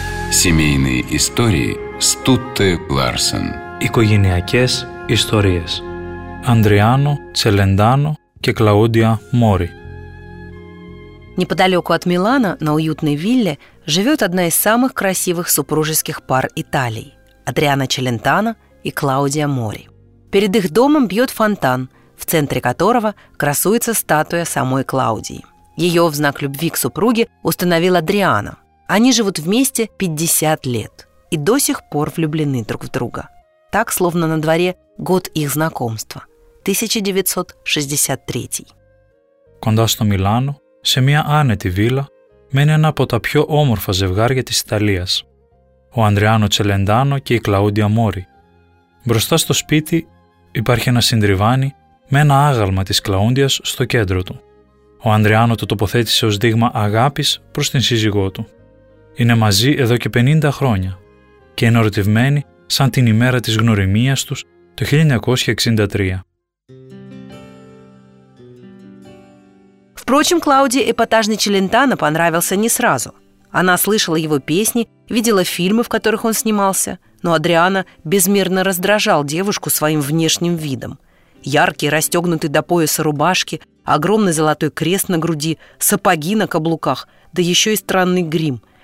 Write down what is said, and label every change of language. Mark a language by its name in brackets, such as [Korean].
[Russian] Семейные истории Стутте Ларсен. [Greek] Οικογενειακές ιστορίες. Андриано Целендано και Клаудия Мори. [Russian] Неподалеку от Милана, на уютной вилле, живет одна из самых красивых супружеских пар Италии. Адриано Челентано и Клаудия Мори. Перед их домом бьет фонтан, в центре которого красуется статуя самой Клаудии. Ее в знак любви к супруге установил Адриано. Они живут вместе 50 лет и до сих пор влюблены друг в друга. Так, словно на дворе год их знакомства, 1963. [Greek] Κοντά στο Μιλάνο, σε μια άνετη βίλα, μένει ένα από τα πιο όμορφα ζευγάρια της Ιταλίας. Ο Ανδριάνο Τσελεντάνο και η Κλαούντια Μόρι. Μπροστά στο σπίτι υπάρχει ένα συντριβάνι με ένα άγαλμα της Κλαούντιας στο κέντρο του. Ο Ανδριάνο το τοποθέτησε ως δείγμα αγάπης προς την σύζυγό του. Είναι μαζί εδώ και 50 χρόνια και είναι ερωτευμένοι σαν την ημέρα της γνωριμίας τους το 1963. [Russian] Впрочем, Клауди эпатажный Челентано понравился не сразу. Она слышала его песни, видела фильмы, в которых он снимался. Но Адриана безмерно раздражал девушку своим внешним видом. Яркий, расстегнутый до пояса рубашки, огромный золотой крест на груди, сапоги на каблуках, да еще и странный грим.